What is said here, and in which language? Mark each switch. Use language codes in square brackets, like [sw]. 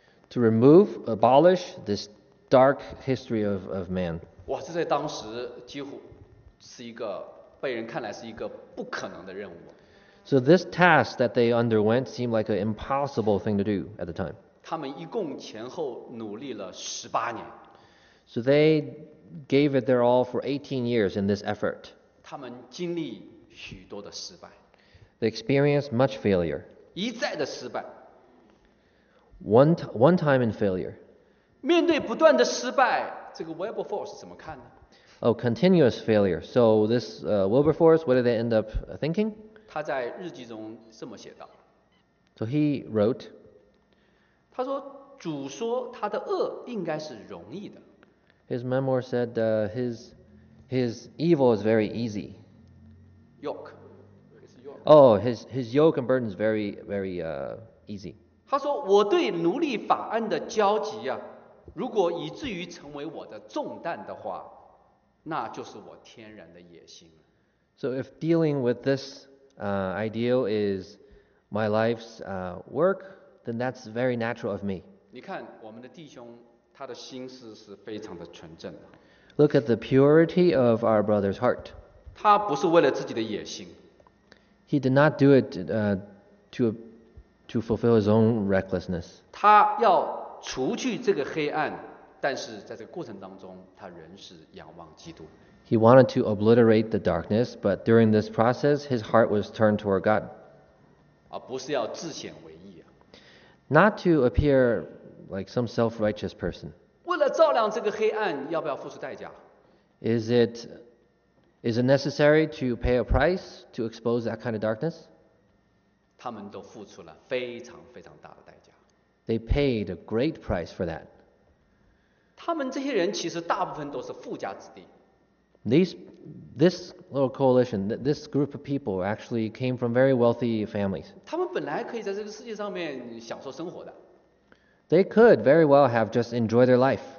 [en] To remove, abolish this dark history of man. [zh] 哇，这在当时几乎是一个被人看来是一个不可能的任务。 [en] So this task that they underwent seemed like an impossible thing to do at the time. [zh] 他们一共前后努力了18年。 [en] So they gave it their all for 18 years in this effort. [zh] 他们经历许多的失败。 [en] They experienced much failure. [zh] 一再的失败。 [en] One time in failure. [zh] 面对不断的失败，这个 Wilberforce 怎么看呢 [en] ？Oh, continuous failure. So this Wilberforce, what did they end up thinking? [zh] 他在日记中这么写道。 [en] So he wrote. [zh] 他说：“主说他的恶应该是容易的。” [en] His memoir said his evil is very easy. Yoke. Oh, his yoke and burden is very very easy. [zh] 他说：“我对奴隶法案的焦急啊。” 如果以至于成为我的重担的话，那就是我天然的野心。 [en] So if dealing with this ideal is my life's work, then that's very natural of me. [zh] 你看我们的弟兄，他的心思是非常的纯正的。 [en] Look at the purity of our brother's heart. [zh] 他不是为了自己的野心。 [en] He did not do it to fulfill his own recklessness. [zh] 他要除去这个黑暗，但是在这个过程当中，他仍是仰望基督。 [en] He wanted to obliterate the darkness, but during this process, his heart was turned toward God. [zh] 而不是要自显为义啊。 [en] Not to appear like some self-righteous person. [zh] 为了照亮这个黑暗，要不要付出代价？ [en] Is it necessary to pay a price to expose that kind of darkness? [zh] 他们都付出了非常非常大的代价。 [en] They paid a great price for that. [zh] 他们这些人其实大部分都是富家子弟。 [en] This little coalition, this group of people actually came from very wealthy families. [zh] 他们本来可以在这个世界上面享受生活的。 [en] They could very well have just enjoyed their life.